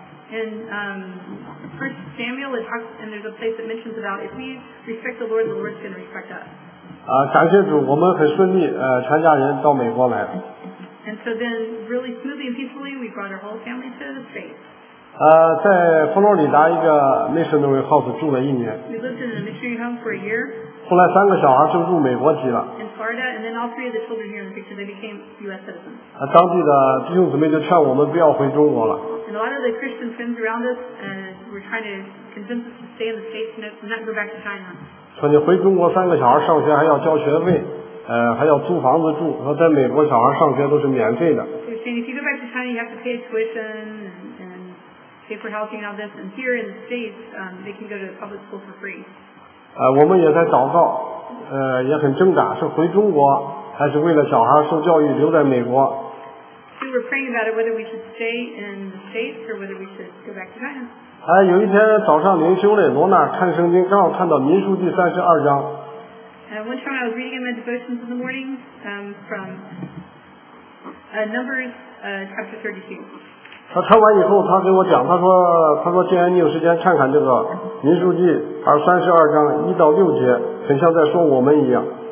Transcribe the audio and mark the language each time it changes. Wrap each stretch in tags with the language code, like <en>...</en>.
<en>In First Samuel, it talks, and there's a place that mentions about if we respect the Lord, the Lord's going to respect us.</en> <zh>感谢主，我们很顺利，全家人到美国来了。</zh> <en>And so then, really smoothly and peacefully, we brought our whole family to the States.</en> <zh>在佛罗里达一个</zh> <en>missionary house</en> <zh>住了一年。</zh> <en>We lived in a missionary home for a year.</en> <zh>后来三个小孩就入美国籍了。</zh> <en>In Florida, and then all three of the children here in the picture, they became U.S. citizens.</en> <zh>当地的弟兄姊妹就劝我们不要回中国了。</zh> <en>And a lot of the Christian friends around us were trying to convince us to stay in the States and not go back to China.</en> <zh>说你回中国三个小孩上学还要交学费，还要租房子住，说在美国小孩上学都是免费的。</zh> <en>So if you go back to China, you have to pay tuition and pay for housing and all this. And here in the States, they can go to public school for free.</en> <zh>我们也在祷告，也很挣扎，是回中国还是为了小孩受教育留在美国。</zh> <en>We were praying about it, whether we should stay in the States or whether we should go back to China.</en> <zh>有一天早上灵修嘞，罗娜看圣经，刚好看到民数记32章。</zh> <en>One time I was reading in my devotions in the morning, from Numbers, chapter 32.</en> <zh>他看完以后，他跟我讲，他说既然你有时间看看这个民数记，32章1到6节，很像在说我们一样。</zh>